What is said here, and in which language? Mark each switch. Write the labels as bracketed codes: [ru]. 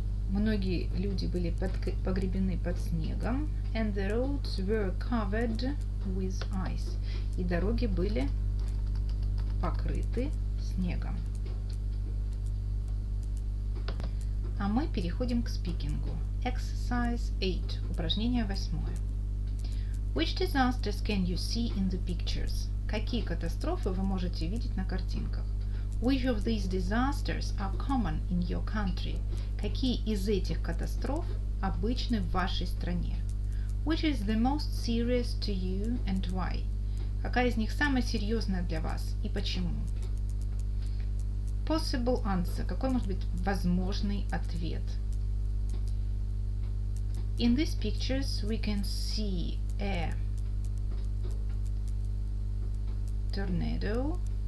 [ru] Многие люди были погребены под снегом. [en] And the roads were covered with ice. [ru] И дороги были покрыты снегом. А мы переходим к спикингу. [en] Exercise 8. [ru] Упражнение 8. [en] Which disasters can you see in the pictures? [ru] Какие катастрофы вы можете видеть на картинках? [en] Which of these disasters are common in your country? [ru] Какие из этих катастроф обычны в вашей стране? [en] Which is the most serious to you and why? [ru] Какая из них самая серьезная для вас и почему? [en] Possible answer. [ru] Какой может быть возможный ответ? [en] In these pictures we can see a tornado.